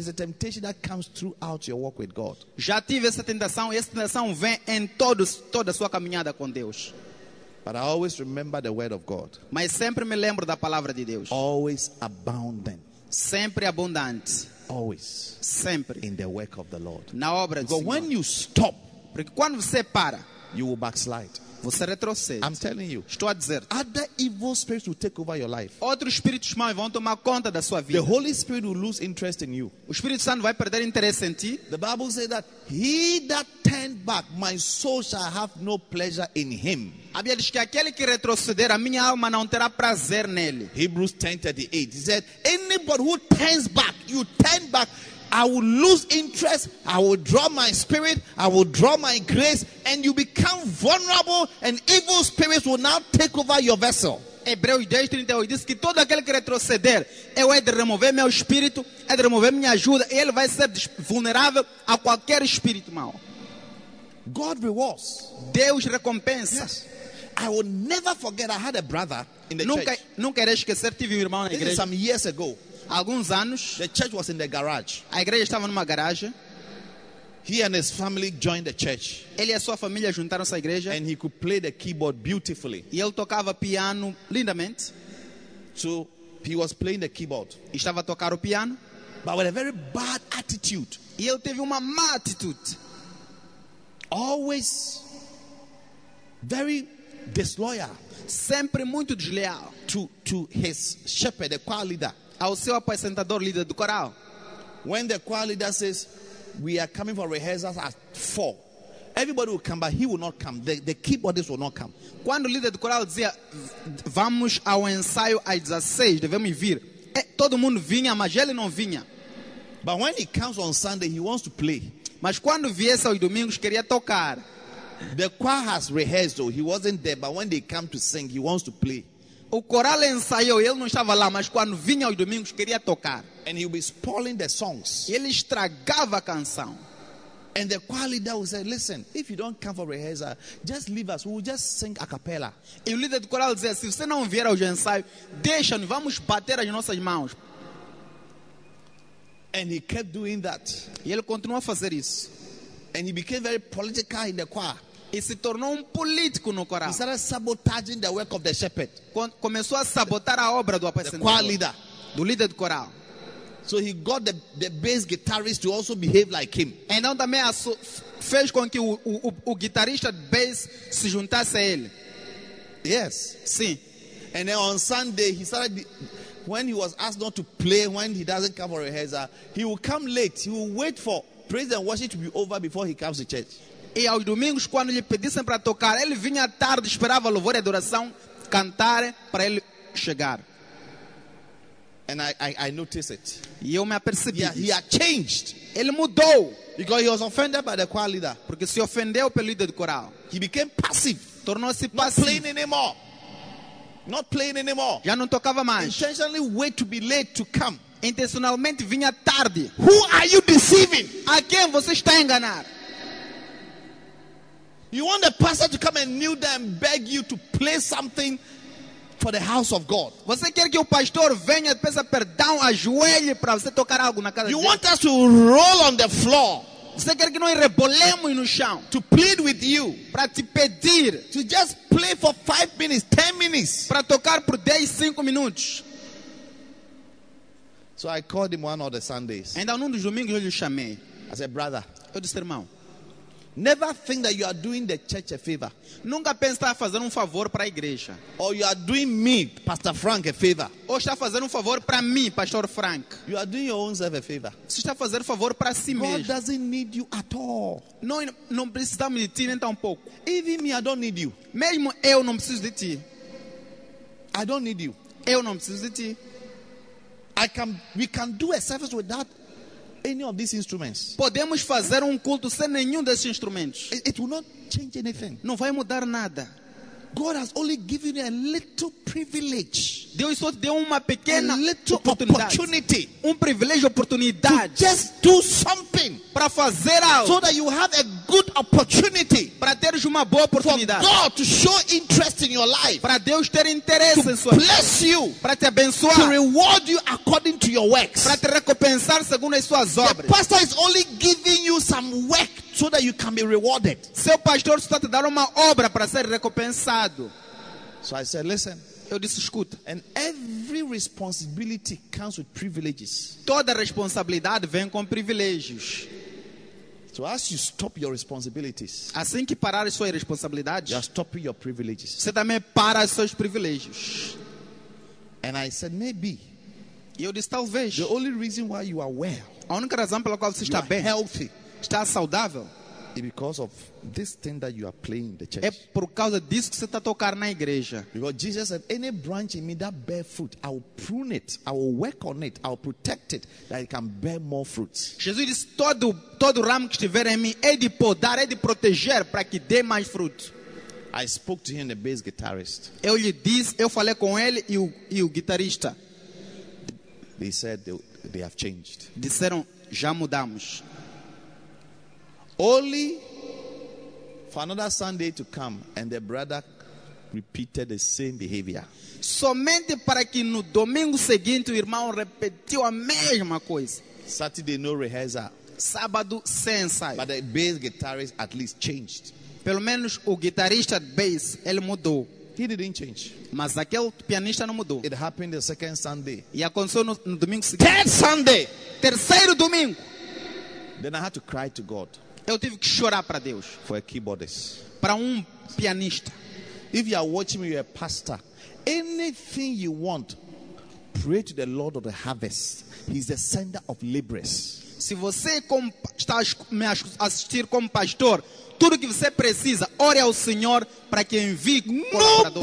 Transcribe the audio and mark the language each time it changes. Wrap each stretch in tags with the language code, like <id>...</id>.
<en>It's a temptation that comes throughout your walk with God.</en> <pt>Já tive essa tentação. E essa tentação vem em toda a sua caminhada com Deus.</pt> <en>But I always remember the word of God.</en> <pt>Mas sempre me lembro da palavra de Deus.</pt> <en>Always abounding.</en> <pt>Sempre abundante.</pt> <en>Always.</en> <pt>Sempre.</pt> <en>In the work of the Lord.</en> <pt>Na obra do Senhor.</pt> <en>But when you stop.</en> <pt>Porque quando você para.</pt> <en>You will backslide.</en> <pt>Você retrocede.</pt> <en>I'm telling you.</en> <pt>Estou a dizer.</pt> <en>Other evil spirits will take over your life.</en> <pt>Outros espíritos maus vão tomar conta da sua vida.</pt> <en>The Holy Spirit will lose interest in you.</en> <pt>O Espírito Santo vai perder interesse em ti.</pt> <en>The Bible says that he that turned back, my soul shall have no pleasure in him.</en> <pt>A Bíblia diz que aquele que retroceder, a minha alma não terá prazer nele.</pt> <en>Hebrews 10:38. He said, anybody who turns back, you turn back, I will lose interest, I will draw my spirit, I will draw my grace, and you become vulnerable, and evil spirits will now take over your vessel.</en> <pt>Hebreus 10:38 diz que todo aquele que retroceder, eu hei de remover meu espírito, hei de remover minha ajuda, e ele vai ser vulnerável a qualquer espírito mau.</pt> <en>God rewards.</en> <pt>Deus recompensa.</pt> <en>Yes. I will never forget, I had a brother in the</en> <pt>nunca,</pt> <en>church.</en> <pt>Nunca irei esquecer, tive um irmão na igreja.</pt> <en>This is some years ago.</en> <pt>Alguns anos,</pt> <en>the church was in the garage.</en> <pt>A igreja estava numa garagem.</pt> <en>He and his family joined the church.</en> <pt>Ele e sua família juntaram-se à igreja.</pt> <en>And he could play the keyboard beautifully.</en> <pt>E ele tocava piano lindamente.</pt> <en>So he was playing the keyboard.</en> <pt>E estava a tocar o piano.</pt> <en>But with a very bad attitude.</en> <pt>E ele teve uma má atitude.</pt> <en>Always very disloyal.</en> <pt>Sempre muito desleal.</pt> <en>To his shepherd, the choir leader.</en> <pt>Ao seu apresentador, líder do coral.</pt> <en>When the choir leader says, we are coming for rehearsals at 4. Everybody will come, but he will not come. The keyboardist will not come.</en> <pt>Quando o líder do coral dizia, vamos ao ensaio às 16, devemos vir. Todo mundo vinha, mas ele não vinha.</pt> <en>But when he comes on Sunday, he wants to play.</en> <pt>Mas quando viesse aos domingos, queria tocar.</pt> <en>The choir has rehearsed, though. He wasn't there, but when they come to sing, he wants to play.</en> <pt>O coral ensaiou, ele não estava lá, mas quando vinha aos domingos queria tocar.</pt> <en>And he'll be spoiling the songs.</en> <pt>Ele estragava a canção.</pt> <en>And the choir leader will say, listen, if you don't come for rehearsal, just leave us, we'll just sing a cappella.</en> <pt>E o líder do coral dizia, se você não vier ao ensaio, deixa-nos, vamos bater as nossas mãos.</pt> <en>And he kept doing that.</en> <pt>E ele continuou a fazer isso.</pt> <en>And he became very political in the choir.</en> <pt>E se tornou político no coral.</pt> <en>He started sabotaging the work of the shepherd.</en> <pt>Começou a sabotar a obra do apresentador.</pt> <en>The choir leader.</en> <pt>Do líder do coral.</pt> <en>So he got the bass guitarist to also behave like him.</en> <pt>Então também fez com que o guitarrista de bass se juntasse a ele.</pt> <en>Yes.</en> <pt>Sim.</pt> <en>And then on Sunday, he started, when he was asked not to play, when he doesn't come for rehearsal, he will come late. He will wait for praise and worship to be over before he comes to church.</en> <pt>E aos domingos, quando lhe pedissem para tocar, ele vinha tarde, esperava louvor e adoração, cantar para ele chegar.</pt> <en>And I noticed it.</en> <pt>E eu me apercebi.</pt> <en>He had changed.</en> <pt>Ele mudou.</pt> <en>Because he was offended by the choir leader.</en> <pt>Porque se ofendeu pelo líder do coral.</pt> <en>He became passive.</en> <pt>Tornou-se passivo.</pt> <en>Not playing anymore. Not playing anymore.</en> <pt>Já não tocava mais.</pt> <en>Intentionally wait to be late to come.</en> <pt>Intencionalmente vinha tarde.</pt> <en>Who are you deceiving?</en> <pt>A quem você está enganando?</pt> <en>You want the pastor to come and kneel down and beg you to play something for the house of God.</en> <pt>Você quer que o pastor venha e peça perdão, ajoelhe para você tocar algo na casa?</pt> <en>You want us to roll on the floor.</en> <pt>Você quer que nós rebolemos no chão?</pt> <en>To plead with you.</en> <pt>Para te pedir.</pt> <en>To just play for 5 minutes, 10 minutes.</en> <pt>Para tocar por 10, 5 minutes.</pt> <en>So I called him one of the Sundays.</en> <pt>Então, num dos domingos, eu lhe chamei.</pt> <en>I said, brother.</en> <pt>Eu disse, irmão.</pt> <en>Never think that you are doing the church a favor.</en> <pt>Nunca pense estar fazendo favor para a igreja.</pt> <en>Or you are doing me, Pastor Frank, a favor.</en> <pt>Ou está fazendo favor para mim, Pastor Frank.</pt> <en>You are doing your own self a favor.</en> <pt>Você está fazendo favor para si mesmo.</pt> <en>God doesn't need you at all.</en> <pt>Não precisa de ti nem tampouco.</pt> <en>Even me, I don't need you.</en> <pt>Mesmo eu não preciso de ti.</pt> <en>I don't need you.</en> <pt>Eu não preciso de ti.</pt> <en>We can do a service without any of these instruments.</en> <pt>Podemos fazer culto sem nenhum desses instrumentos.</pt> <en>It will not change anything.</en> <pt>Não vai mudar nada.</pt> <en>God has only given you a little privilege.</en> <pt>Deus só te deu uma pequena</pt> <en>opportunity.</en> <pt>Privilégio, oportunidade.</pt> <en>To just do something.</en> <pt>Para fazer algo.</pt> <en>So that you have a good opportunity.</en> <pt>Para ter uma boa oportunidade.</pt> <en>For God to show interest in your life.</en> <pt>Para Deus ter interesse em sua vida.</pt> <en>Bless you.</en> <pt>Para te abençoar.</pt> <en>To reward you according to your works.</en> <pt>Para te recompensar segundo as suas obras.</pt> <en>The pastor is only giving you some work so that you can be rewarded.</en> <pt>Seu pastor está te dando uma obra para ser recompensado.</pt> <en>So I said, listen.</en> <pt>Eu disse, escuta.</pt> <en>And every responsibility comes with privileges.</en> <pt>Toda responsabilidade vem com privilégios.</pt> <en>So as you stop your responsibilities,</en> <pt>assim que parar as suas responsabilidades,</pt> <en>you are stopping your privileges.</en> <pt>Você também para os seus privilégios.</pt> <en>And I said, maybe.</en> <pt>E eu disse, talvez.</pt> <en>The only reason why you are well,</en> <pt>a única razão pela qual você está bem,</pt> <en>healthy,</en> <pt>está saudável,</pt> <en>is because of this thing that you are playing the church.</en> <pt>É por causa disso que você está tocando na igreja.</pt> <en>Because Jesus said, any branch in me that bear fruit, I will prune it, I will work on it, I will protect it, that it can bear more fruits.</en> <pt>Jesus disse, todo ramo que estiver em mim é de podar, é de proteger para que dê mais fruto.</pt> <en>I spoke to him, the bass guitarist.</en> <pt>Eu lhe disse, eu falei com ele e o guitarrista.</pt> <en>They said they have changed.</en> <pt>Disseram, já mudamos.</pt> <en>Only for another Sunday to come and the brother repeated the same behavior.</en> <pt>Somente para que no domingo seguinte o irmão repetiu a mesma coisa.</pt> <en>Saturday no rehearsal.</en> <pt>Sábado sem ensaio.</pt> <en>But the bass guitarist at least changed.</en> <pt>Pelo menos o guitarrista de bass, ele mudou.</pt> <en>He didn't change.</en> <pt>Mas aquele pianista não mudou.</pt> <en>It happened the second Sunday.</en> <pt>E aconteceu no domingo seguinte.</pt> <en>Third Sunday.</en> <pt>Terceiro domingo.</pt> <en>Then I had to cry to God.</en> <pt>Eu tive que chorar para Deus.</pt> <en>For a keyboardist.</en> <pt>Para pianista.</pt> <en>If you are watching me, you are a pastor. Anything you want, pray to the Lord of the harvest. He's the sender of laborers.</en> <pt>Se você está me assistir como pastor, tudo que você precisa, ore ao Senhor para que envie colaboradores.</pt>